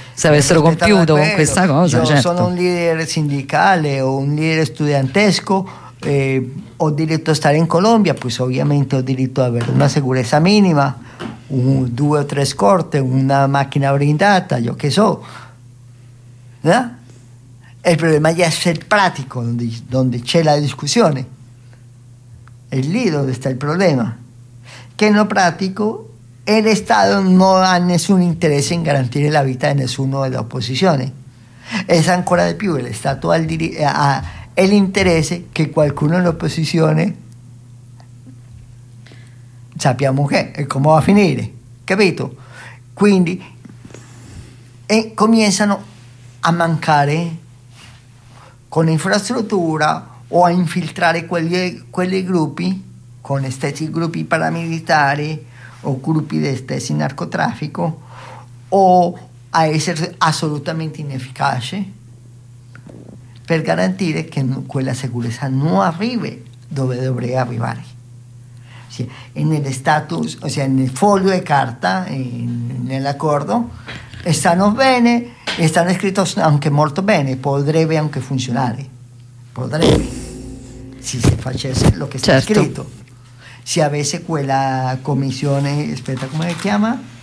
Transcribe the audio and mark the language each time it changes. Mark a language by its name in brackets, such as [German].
[Italian] se avessero compiuto con questa cosa, io certo. Sono un leader sindacale o un leader studentesco, Ho diritto a stare in Colombia, pues ovviamente ho diritto ad avere una sicurezza minima, due o tre scorte, una macchina blindata, io che so. [Spanish] ¿Verdad? El problema ya es el práctico, donde [Italian] c'è [Spanish] la discusión. Es [Italian] lì [Spanish] donde está el problema. Que en lo práctico, el Estado no ha [Italian] nessun [Spanish] interés en garantir la vida de [Italian] nessuno [Spanish] de las oposiciones. Es [Italian] ancora de più, [Spanish] el Estado ha el interés que [Italian] qualcuno [Spanish] de las oposiciones [Italian] sappiamo [Spanish] qué, cómo va a finir. [Italian] ¿Capito? Quindi, [Spanish] comienzan [Italian] a mancare con [Spanish] infraestructura [Italian] o a infiltrare quelli gruppi, con stessi gruppi paramilitari o gruppi di stessi narcotraffico, o a essere assolutamente inefficace per garantire che quella sicurezza non arrivi dove dovrebbe arrivare. Nel status, ossia nel foglio di carta, nell'accordo, stanno bene. [Spanish] Están escritos, aunque muy bien, podría aunque funcionar. Podría. Si se [Italian] facesse [Spanish] lo que está [Italian] certo. [Spanish] Escrito. Si a veces [Italian] quella [Spanish] comisión, espera, ¿cómo se llama?